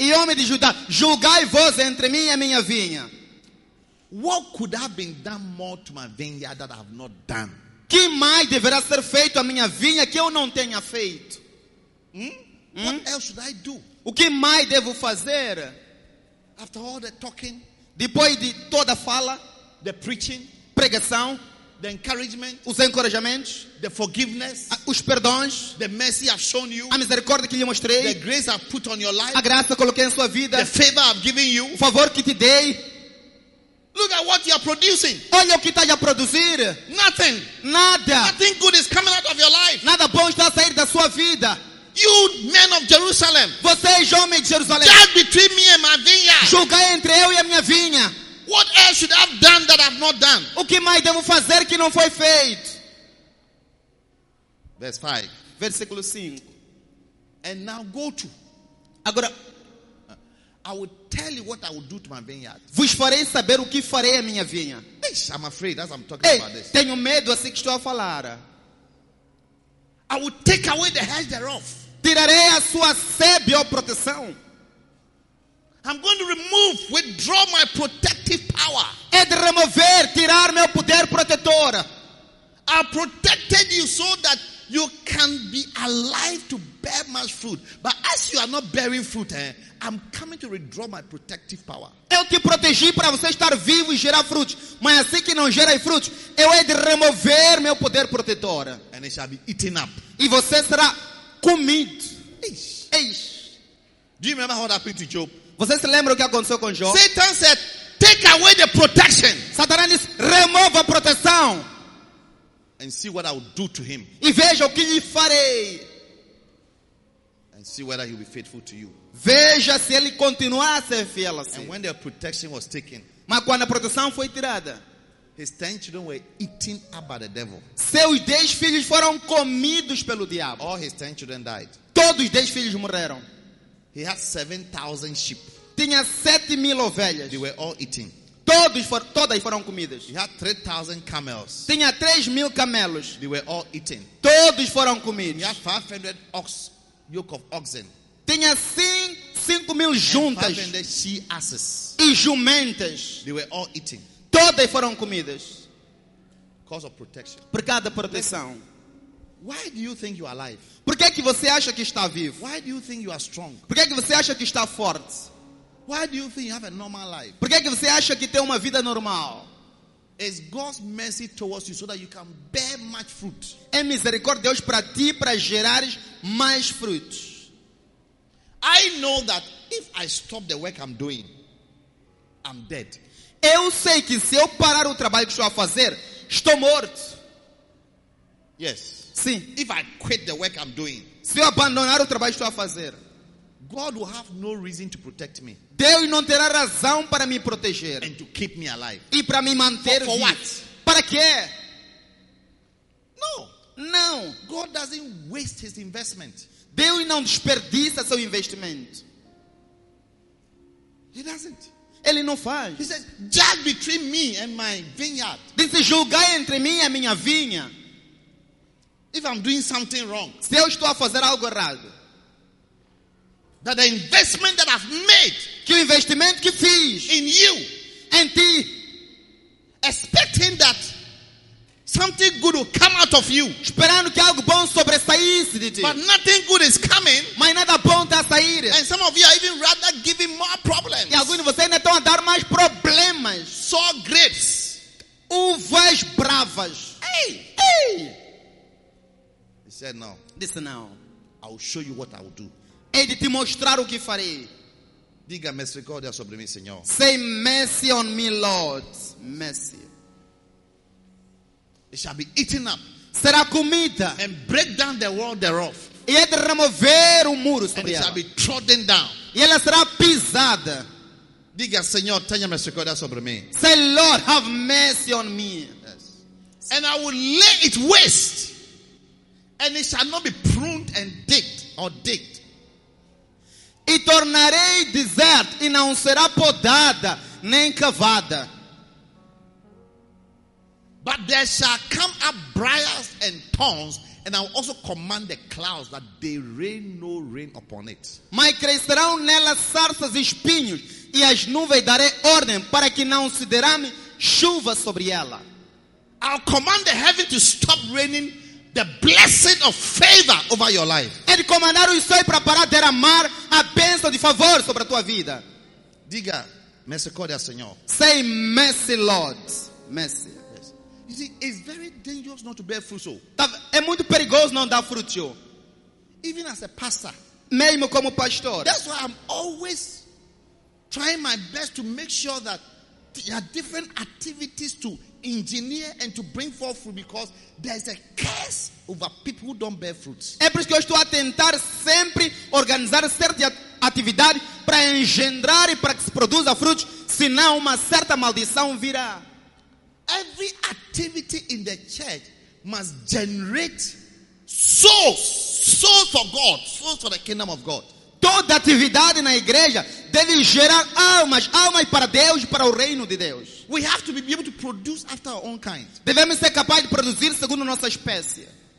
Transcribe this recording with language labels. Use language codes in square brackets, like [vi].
[pt] E homem de Judá, julgai vós entre mim e minha vinha. [en] What could have been done more to my vineyard that I have not done? [pt] Que mais deverá ser feito à minha vinha que eu não tenha feito? [en] What else should I do? [pt] O que mais devo fazer? [en] After all the talking, [pt] depois de toda a fala, [en] the preaching, [pt] pregação, [en] the encouragement, [pt] os encorajamentos, [en] the forgiveness, [pt] os perdões, [en] the mercy I've shown you, [pt] a misericórdia que lhe mostrei, [en] the grace I've put on your life, [pt] a graça que coloquei em sua vida, [en] the favor I've given you, [pt] o favor que te dei. [en] Look at what you are producing. [pt] Olha o que está a produzir. [en] Nothing. [pt] Nada. [en] Nothing good is coming out of your life. [pt] Nada bom está a sair da sua vida. [en] You men of Jerusalem. [pt] Vocês homens de Jerusalém. [en] Judge between me and my vineyard. [pt] Julgai entre eu e a minha vinha. [en] What else should I have done that I have not done? [pt] O que mais devo fazer que não foi feito? [en] Verse 5. [pt] Versículo 5. [en] and now go to. [pt] Agora, [en] I will tell you what I will do to my vineyard. [pt] Vos farei saber o que farei à minha vinha. [en] I'm afraid as I'm talking about this. [pt] Tenho medo assim que estou a falar. [en] I will take away the hedge thereof. [pt] Tirarei a sua sebe ou proteção. [en] I'm going to remove, withdraw my protective power. [pt] É de remover, tirar meu poder protetor. [en] I protected you so that you can be alive to bear much fruit. But as you are not bearing fruit, I'm coming to withdraw my protective power. [pt] Eu te protegi para você estar vivo e gerar frutos. Mas assim que não gera frutos, eu hei de remover meu poder protetor. [en] And it shall be eaten up. [pt] E você será comido. [en] Eish. Do you remember what happened to Job? [pt] Você se lembra o que aconteceu com Job? [en] Satan said, take away the protection. [pt] Satanás disse, remove a proteção. [en] And see what I will do to him. [pt] E veja o que lhe farei. [en] And see whether he will be faithful to you. [pt] Veja se ele continuar a ser fiel a você. [en] And when their protection was taken, [pt] mas quando a proteção foi tirada, [en] his 10 children were eaten up by the devil. [pt] Seus 10 filhos foram comidos pelo diabo. [en] All his 10 children died. [pt] Todos 10 filhos morreram. [en] He had 7,000 sheep. [pt] Tinha 7,000 ovelhas. [en] They were all eaten. [pt] Todas foram comidas. [en] He had 3,000 camels. [pt] Tinha 3,000 camelos. [en] They were all eaten. [pt] Todos foram comidos. [en] He had 500 ox, yoke of oxen. [pt] Tinha 5,000 juntas. [en] And 500 she asses. [pt] E jumentas. [en] They were all eaten. [pt] Todas foram comidas. [en] Cause of protection. [pt] Por causa da proteção. [en] Why do you think you are alive? [pt] Por que é que você acha que está vivo? [en] Why do you think you are strong? [pt] Por que é que você acha que está forte? [en] Why do you think you have a normal life? [pt] Por que é que você acha que tem uma vida normal? [en] It's God's mercy towards you so that you can bear much fruit. [pt] É misericórdia de Deus para ti para gerares mais frutos. [en] I know that if I stop the work I'm doing, I'm dead. [pt] Eu sei que se eu parar o trabalho que estou a fazer, estou morto. [en] Yes. [pt] Sim. [en] If I quit the work I'm doing, [pt] se eu abandonar o trabalho que estou a fazer, [en] God will have no reason to protect me. [pt] Deus não terá razão para me proteger. [en] And to keep me alive. [pt] E para me manter [en] for [pt] vivo. [en] What? [pt] Para quê? [en] No. [pt] Não. [en] God doesn't waste his investment. [pt] Deus não desperdiça seu investimento. [en] He doesn't. [pt] Ele não faz. [en] He says, judge between me and my vineyard. [pt] Disse, julgai entre mim e a minha vinha. [en] If I'm doing something wrong, [pt] se eu estou a fazer algo errado, [en] that the investment that I've made, [pt] que o investimento que fiz [en] in you, [pt] em ti, [en] expecting that something good will come out of you, [pt] esperando que algo bom sobressaísse de ti, [en] but nothing good is coming, [pt] mas nada bom está a sair, [en] and some of you are even rather giving more problems, [pt] e alguns de vocês ainda estão a dar mais problemas, [en] só grapes, [pt] uvas bravas, ei, ei. [en] He said, no. Listen now. I will show you what I will do. [pt] Hei de te mostrar o que farei. Diga misericórdia sobre mim, Senhor. [en] Say mercy on me, Lord. Mercy. It shall be eaten up. [pt] Será comida. [en] And break down the wall thereof. [pt] E é de remover o muro sobre [en] and it [pt] ela. [en] Shall be trodden down. [pt] E ela será pisada. Diga, Senhor, tenha misericórdia sobre mim. [en] Say, Lord, have mercy on me. Yes. And I will lay it waste. And it shall not be pruned and digged. [pt] E tornarei deserto e não será podada nem cavada. [en] But there shall come up briars and thorns, and I will also command the clouds that they rain no rain upon it. [pt] Mas crescerão nela sarças e espinhos, e as nuvens darei ordem para que não se derrame chuva sobre ela. [en] I'll command the heaven to stop raining the blessing of favor over your life. [pt] É de comandar o céu para parar de derramar a bênção de favor sobre a tua vida. Diga, misericórdia, Senhor. [en] Say mercy, Lord. Mercy. Yes. You see, it's very dangerous not to bear fruit. So. [pt] É muito perigoso não dar fruto. [en] Even as a pastor. [pt] Mesmo como pastor. [en] That's why I'm always trying my best to make sure that there are different activities to engineer and to bring forth fruit, because there's a curse over people who don't bear fruits. [pt] É por isso que eu estou a tentar sempre organizar certa atividade para engendrar e para que se produza frutos, senão uma certa maldição virá. [en] Every activity in the church must generate souls. soul for God, soul for the kingdom of God. [pt] Toda atividade na igreja deve gerar almas, almas para Deus, para o reino de Deus. [en] We have to be able to produce after our own kind. [pt] Devemos ser capazes de produzir segundo nossa espécie.